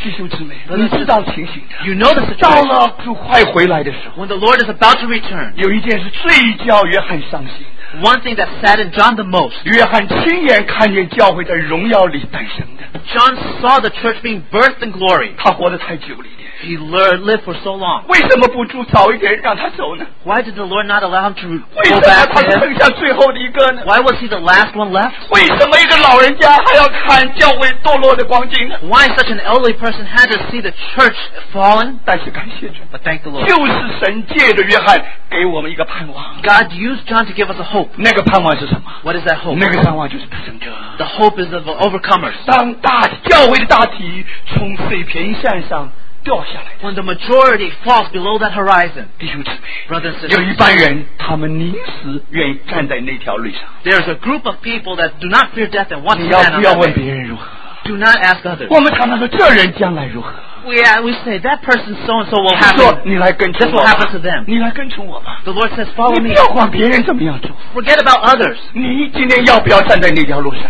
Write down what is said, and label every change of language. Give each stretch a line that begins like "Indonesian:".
Chinese: 弟兄姊妹，你知道情形的
English: ，you know the situation。
Chinese: 到了主快回来的时候
English: ，when the Lord is about to return，
Chinese: 有一件事最叫约翰伤心。
English: One thing that saddened John the most.
Chinese: 约翰亲眼看见教会在荣耀里诞生的。
English: John saw the church being birthed in glory.
Chinese: 他活得太久了。
English: He lived for so long.
Chinese: 为什么不住早一点让他走呢
English: ？Why did the Lord not allow him to go back?
Chinese: 为什么他剩下最后的一个呢
English: ？Why was he the last one left?
Chinese: 为什么一个老人家还要看教会堕落的光景呢
English: ？Why such an elderly person had to see the church fallen?
Chinese: 但是感谢主
English: ，But thank the Lord.
Chinese: 就是神借着约翰给我们一个盼望。
English: God used John to give us a hope.
Chinese: 那个盼望是什么
English: ？What is that hope?
Chinese: 那个盼望就是得胜者。
English: The hope is of overcomers.
Chinese: 当大教会的大体从水平线上。掉下来的。
English: When the majority falls below that horizon,
Chinese: 弟兄姊妹
English: brothers and sisters,
Chinese: 有一般人他们宁死愿意站在那条路上。
English: There's a group of people that do not fear death and want to stand on that way.
Chinese: 你要不要问别人如何？
English: Do not ask others.
Chinese: 我们常常说这人将来如何？
English: We say that person so and so will happen. This will happen to them. The Lord says, follow me.
Chinese: 你不要管别人怎么样做。
English: Forget about others.
Chinese: 你今天要不要站在那条路上？